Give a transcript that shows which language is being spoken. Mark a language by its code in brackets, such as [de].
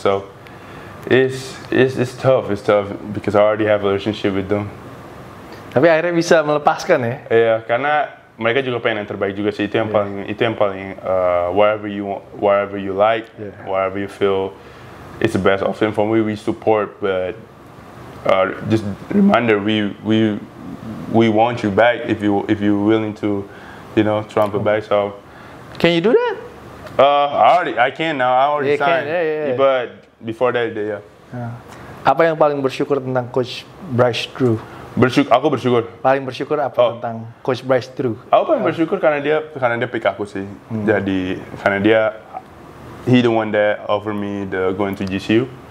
[en] So, it's tough. It's tough because I already have a relationship with them. [id] Tapi akhirnya bisa melepaskan ya? Iya, karena mereka juga pengen yang terbaik juga sih. Itu yang paling [en] wherever you like, wherever you feel it's the best option for me, we support, but just reminder we want you back if you're willing to, you know, trump it back. So can you do that? I already signed. Yeah. But before that, yeah. Yeah. [id] Apa yang paling bersyukur tentang Coach Bryce Drew? Aku bersyukur. Paling bersyukur apa tentang Coach Bryce Drew? Aku paling bersyukur karena dia pick aku sih. Hmm. Jadi karena dia [en] he the one that offer me the going to GCU.